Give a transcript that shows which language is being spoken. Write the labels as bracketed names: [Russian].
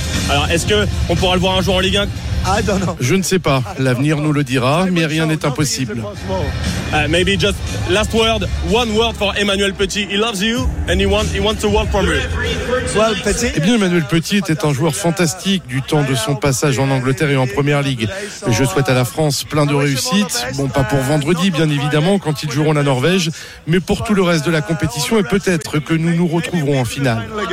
[French] Alors, est-ce qu'on pourra le voir un jour en Ligue 1? Je ne sais pas, l'avenir nous le dira, mais rien n'est impossible. [English] Maybe just last word, one word for Emmanuel Petit. He loves you and he wants to work for you. [French] Eh bien, Emmanuel Petit était un joueur fantastique du temps de son passage en Angleterre et en Première Ligue. Je souhaite à la France plein de réussites. Bon, pas pour vendredi, bien évidemment, quand ils joueront la Norvège, mais pour tout le reste de la compétition, et peut-être que nous nous retrouverons en finale.